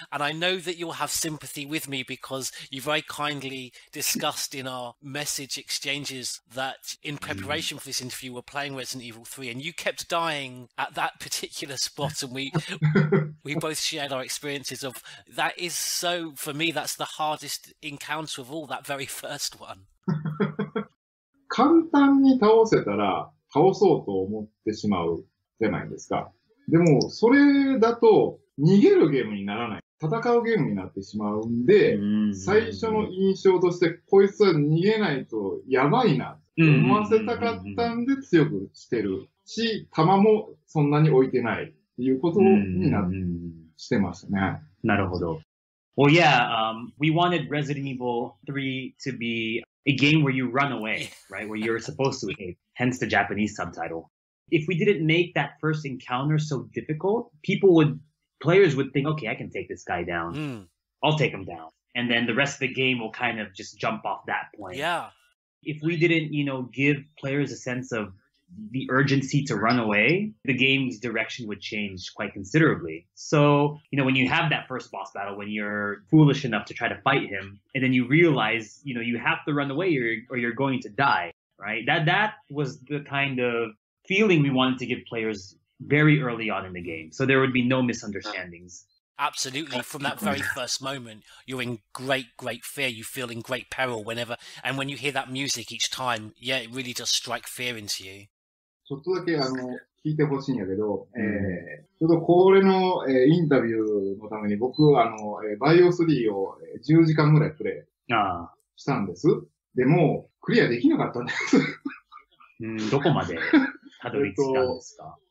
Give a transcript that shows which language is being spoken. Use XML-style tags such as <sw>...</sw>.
<en>And I know that you'll have sympathy with me because you very kindly discussed in our message exchanges that in preparation for this interview, we're playing Resident Evil 3 and you kept dying at that particular spot. And we both shared our experiences of that is so, for me, that's the hardest encounter of all, that very first one.</en> <ja>簡単に倒せたら、倒そうと思ってしまうじゃないですか。でもそれだと逃げるゲームにならない。戦うゲームになってしまうんで、最初の印象としてこいつは逃げないとやばいなって思わせたかったんで強くしてるし、弾もそんなに置いてないっていうことになってましたね。なるほど。</ja> <en>Well, yeah, we wanted Resident Evil 3 to be a game where you run away, right? Where you're supposed to escape. Hence the Japanese subtitle. If we didn't make that first encounter so difficult, players would think, okay, I can take this guy down. Mm. I'll take him down. And then the rest of the game will kind of just jump off that point. Yeah. If we didn't, you know, give players a sense of the urgency to run away, the game's direction would change quite considerably. So, you know, when you have that first boss battle, when you're foolish enough to try to fight him, and then you realize, you know, you have to run away or you're going to die. Right? That was the kind of feeling we wanted to give players very early on in the game, so there would be no misunderstandings. Absolutely. From that very first moment, you're in great, great fear. You feel in great peril whenever. And when you hear that music each time, yeah, it really does strike fear into you.</en> <ja>ちょっとだけ聞いてほしいんやけど、ちょっとこれの、インタビューのために僕、バイオ3を10時間ぐらいプレイしたんです。でも、クリアできなかったんです。どこまでたどり着いたんですか？</ja>